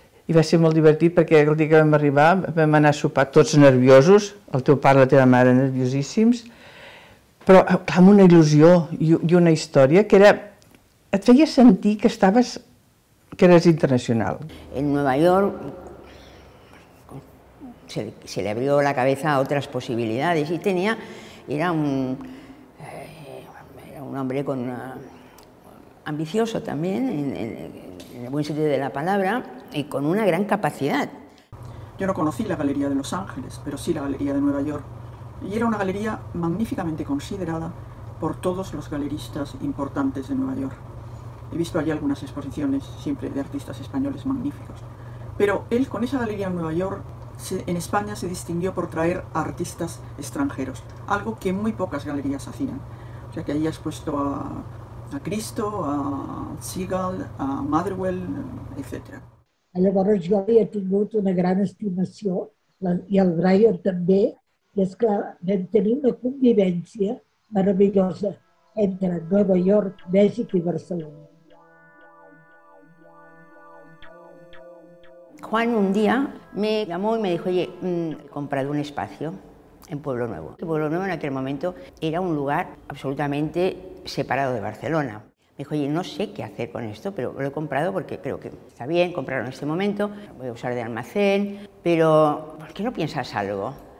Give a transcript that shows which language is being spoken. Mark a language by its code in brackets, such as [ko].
[ca] I va ser molt divertit perquè el dia que vam arribar vam anar a sopar tots nerviosos, el teu pare i la teva mare nerviosíssims, però clar, amb una il·lusió i una història que era, et feia sentir que estaves, que eres internacional. [es] En Nueva York se le abrió la cabeza a otras posibilidades y tenía, era un hombre con una, ambicioso también, en el buen sentido de la palabra, y con una gran capacidad. Yo no conocí la Galería de Los Ángeles, pero sí la Galería de Nueva York. Y era una galería magníficamente considerada por todos los galeristas importantes de Nueva York. He visto allí algunas exposiciones, siempre de artistas españoles magníficos. Pero él, con esa galería en Nueva York, en España se distinguió por traer artistas extranjeros, algo que muy pocas galerías hacían. O sea, que allí ha expuesto a Cristo, a Seagal, a Motherwell, etc. [ca] Llavors jo li he tingut una gran estimació, i el Brian també, i esclar, vam tenir una convivència meravellosa entre Nova York, Mèxic i Barcelona. [es] Juan un día me llamó y me dijo, oye, he comprado un espacio en Pueblo Nuevo. El Pueblo Nuevo en aquel momento era un lugar absolutamente separado de Barcelona. Me dijo, oye, no sé qué hacer con esto, pero lo he comprado porque creo que está bien comprarlo en este momento, lo voy a usar de almacén, pero ¿por qué no piensas algo?